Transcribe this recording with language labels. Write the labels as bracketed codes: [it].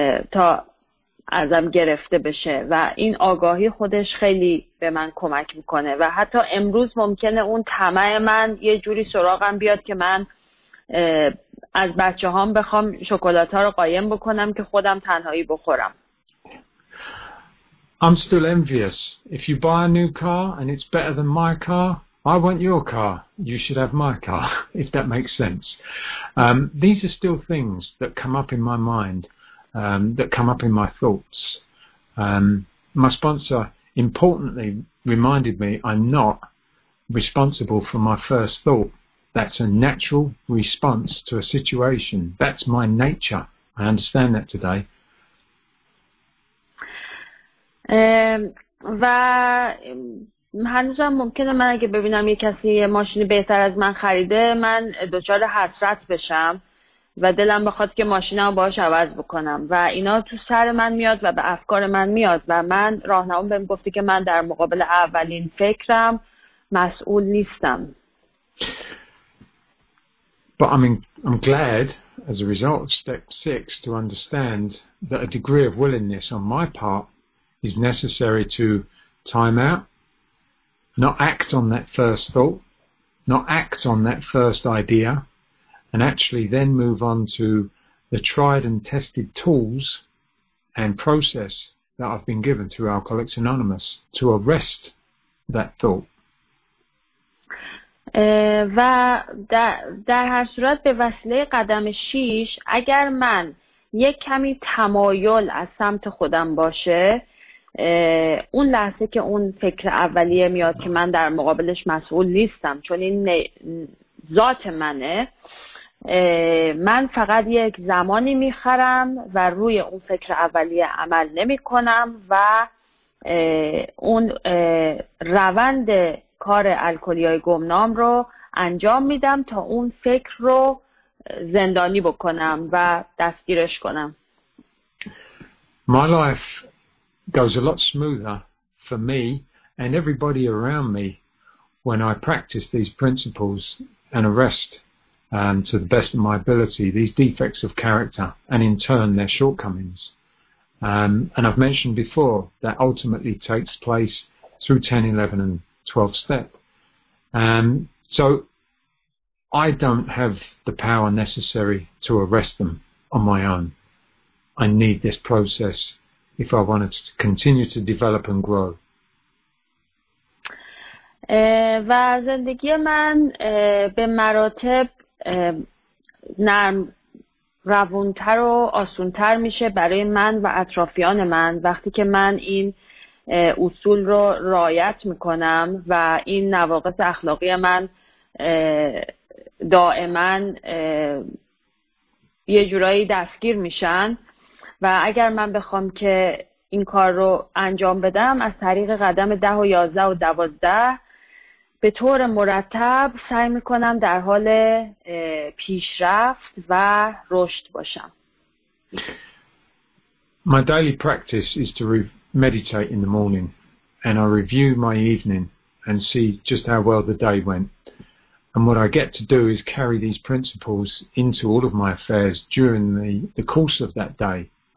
[fa] تا ازم گرفته بشه و این آگاهی خودش خیلی به من کمک میکنه و حتی امروز ممکنه اون طمع من یه جوری سراغم بیاد که من از بچه هام بخوام شکلات ها رو قایم بکنم که خودم تنهایی بخورم. [en] I'm still envious. If you buy a new car and it's better than my car, I want your car. You should have my car, if that makes sense. These are still things that come up in my mind, that come up in my thoughts. My sponsor importantly reminded me I'm not responsible for my first thought. That's a natural response to a situation. That's my nature. I understand that today. [fa] و هنوزم ممکنه من اگه ببینم یه کسی یه ماشینی بهتر از من خریده من دچار حسرت بشم و دلم بخواد که ماشینمو باهاش عوض بکنم و اینا تو سر من میاد و به افکار من میاد و من راهنما بهم گفته که من در مقابل اولین فکرم مسئول نیستم. [en] But I'm glad as a result of step 6 to understand that a degree of willingness on my part is necessary to time out, not act on that first thought, not act on that first idea, and actually then move on to the tried and tested tools and process that I've been given through Alcoholics Anonymous to arrest that thought. [fa] و در هر صورت به وسیله قدم 6 اگر من یک کمی تمایل از سمت خودم باشه اون لحظه که اون فکر اولیه میاد که من در مقابلش مسئول نیستم چون این ذات منه من فقط یک زمانی میخرم و روی اون فکر اولیه عمل نمی کنم و اون روند کار الکلیای گمنام رو انجام میدم تا اون فکر رو زندانی بکنم و دستگیرش کنم. [en] My life goes a lot smoother for me and everybody around me when I practice these principles and arrest to the best of my ability these defects of character and in turn their shortcomings. And I've mentioned before that ultimately takes place through 10, 11 and 12th step. So I don't have the power necessary to arrest them on my own. I need this process if I wanted to continue to develop and grow. [fa] و زندگی من به مراتب نرم روونتر و آسونتر میشه برای من و اطرافیان من وقتی که من این اصول رو رعایت میکنم و این نواقص اخلاقی من دائما یه جورایی دستگیر میشن و اگر من بخوام که این کار رو انجام بدم از طریق قدم 10 و 11 و 12 به طور مرتب سعی میکنم در حال پیشرفت و رشد باشم. [en] My daily practice is to meditate in the morning and I review my evening and see just how well the day went and what I get to do is carry these principles into all of my affairs during the course of that day.